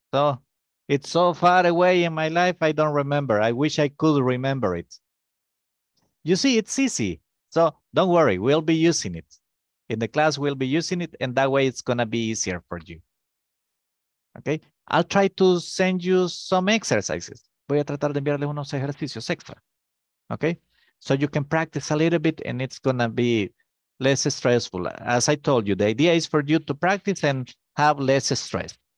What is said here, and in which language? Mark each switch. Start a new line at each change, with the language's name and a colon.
English: So it's so far away in my life, I don't remember. I wish I could remember it. You see, it's easy. So don't worry, we'll be using it. In the class, we'll be using it, and that way it's going to be easier for you. Okay? I'll try to send you some exercises.
Spanish: Voy a tratar de enviarle unos ejercicios extra.
English: Okay? So you can practice a little bit, and it's going to be less stressful. As I told you, the idea is for you to practice and have less stress.